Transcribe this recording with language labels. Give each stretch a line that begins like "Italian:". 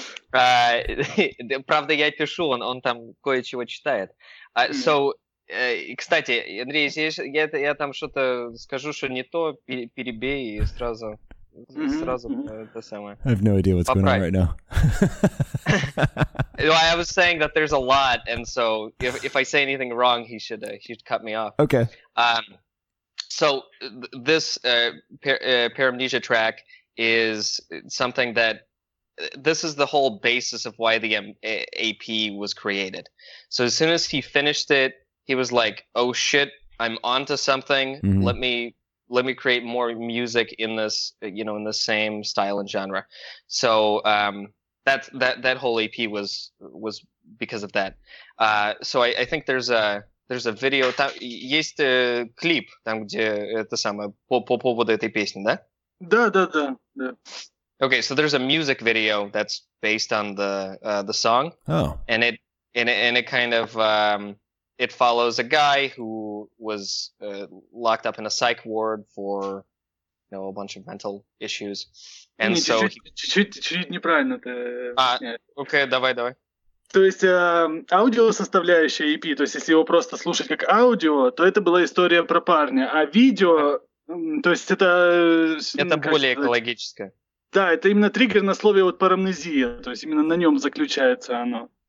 Russian: Правда, я пишу, он там кое-чего читает.
English: So,
Russian: кстати, Андрей, если я там что-то скажу, что не то, перебей и сразу это самое.
English: I have no idea what's going on right now. No, I was saying that there's a lot, and so if I say anything wrong, he should cut me off. Okay. So this Paramnesia track is something that this is the whole basis of why the AP was created. So as soon as he finished it, he was like, "Oh shit, I'm onto something. Mm-hmm. Let me create more music in this, you know, in the same style and genre." So that whole AP was because of that. So I think there's a video,
Russian: там есть клип, там где это самое по поводу этой песни, да? Да, да, да, да.
English: Okay, so there's a music video that's based on the song. Oh. And it kind of it follows a guy who was locked up in a psych ward for, you know, a bunch of mental issues. And
Russian: не,
English: so
Russian: чуть-чуть неправильно это. Окей, давай. То есть аудио составляющая EP, то есть если его просто слушать как аудио, то это была история про парня, а видео, то есть это более сказать, экологическое. Да, это именно триггер на слове вот парамнезия, то есть именно на нем заключается оно.